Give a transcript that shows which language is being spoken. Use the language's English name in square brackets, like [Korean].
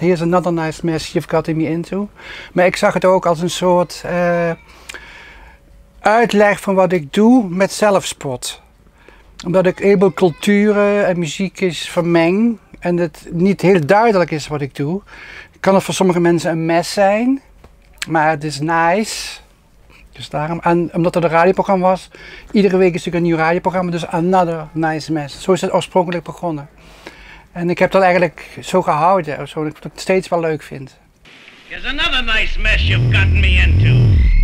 [English] Here's another nice mess you've got me into. [Dutch] Maar ik zag het ook als een soort uitleg van wat ik doe met zelfspot. Omdat ik heel veel culturen en muziek is vermeng en het niet heel duidelijk is wat ik doe, kan het voor sommige mensen een mess zijn. Maar het is nice. Dus daarom. En omdat er een radioprogramma was, iedere week is natuurlijk een nieuw radioprogramma. Dus Another Nice Mess. Zo is het oorspronkelijk begonnen. En ik heb dat eigenlijk zo gehouden, zo, dat ik het steeds wel leuk vind. [English] Here's another nice mess you've gotten me into.